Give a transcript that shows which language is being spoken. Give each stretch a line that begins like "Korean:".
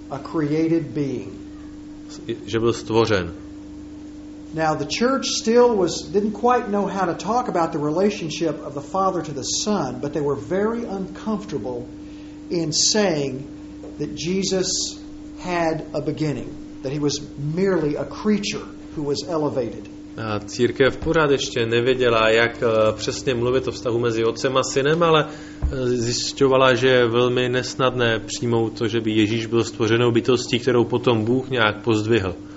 English: A created being.
Czech: Že byl stvořen.
English: Now the church still was didn't quite know how to talk about the relationship of the Father to the Son, but they were very uncomfortable in saying that Jesus had a beginning, that he was merely a creature who was elevated.
Czech: A církev pořád ještě nevěděla, jak přesně mluvit o vztahu mezi otcem a synem, ale zjišťovala, že je velmi nesnadné přijmout to, že by Ježíš byl stvořenou bytostí, kterou potom Bůh nějak pozdvihl.